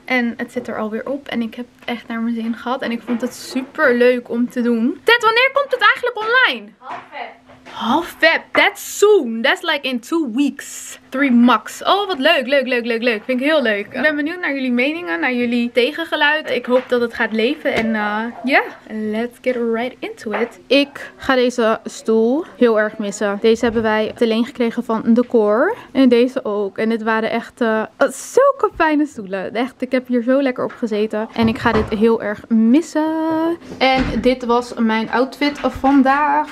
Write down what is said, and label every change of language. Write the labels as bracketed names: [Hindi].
[Dutch] En het zit er alweer op. En ik heb echt naar mijn zin gehad. En ik vond het super leuk om te doen. Ted, wanneer komt het eigenlijk online? Half Feb. [English] That's soon. That's like in 2 weeks. 3 max. [Dutch] Oh, wat leuk. Leuk. Vind ik heel leuk. Ik ben benieuwd naar jullie meningen, naar jullie tegengeluid. Ik hoop dat het gaat leven. En ja, [English] let's get right into it. [Dutch] Ik ga deze stoel heel erg missen. Deze hebben wij te leen gekregen van Decor. En deze ook. En dit waren echt zulke fijne stoelen. Echt, ik heb hier zo lekker op gezeten. En ik ga dit heel erg missen. En dit was mijn outfit vandaag.